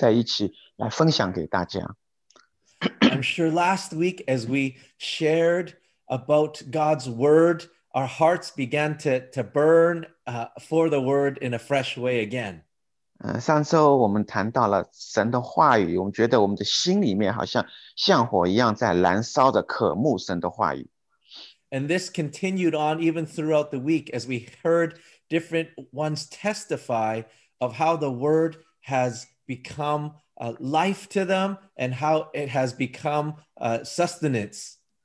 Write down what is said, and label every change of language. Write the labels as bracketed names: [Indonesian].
[Chinese] 所以今天早晨，我要把就是这些不同的声音，感受到神对我们说话不同的声音，能够聚带在一起来分享给大家。 [English] I'm sure last week as we shared about God's word, our hearts began to burn for the word in a fresh way again. [Chinese] 上周我们谈到了神的话语，我们觉得我们的心里面好像像火一样在燃烧着渴慕神的话语。 [English] And this continued on even throughout the week as we heard different ones testify of how the word has become a life to them and how it has become a sustenance.